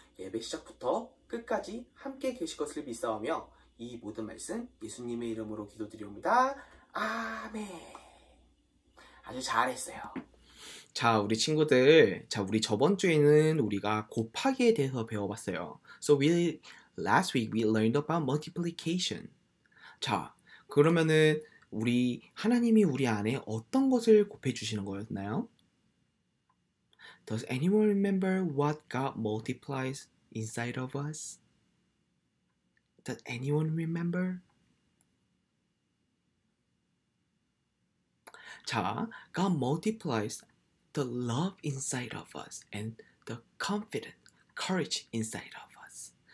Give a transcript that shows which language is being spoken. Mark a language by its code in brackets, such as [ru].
[ko] 예배 시작부터 끝까지 함께 계실 것을 믿사오며 이 모든 말씀 예수님의 이름으로 기도드리옵니다. 아멘. 아주 잘했어요. 자, 우리 친구들, 자, 우리 저번 주에는 우리가 곱하기에 대해서 배워봤어요. [en] So we last week we learned about multiplication. [ko] 자, 그러면은 우리 하나님이 우리 안에 어떤 것을 곱해 주시는 거였나요? [en] Does anyone remember what God multiplies inside of us? Does anyone remember? 자, God multiplies the love inside of us and the confidence, courage inside of us.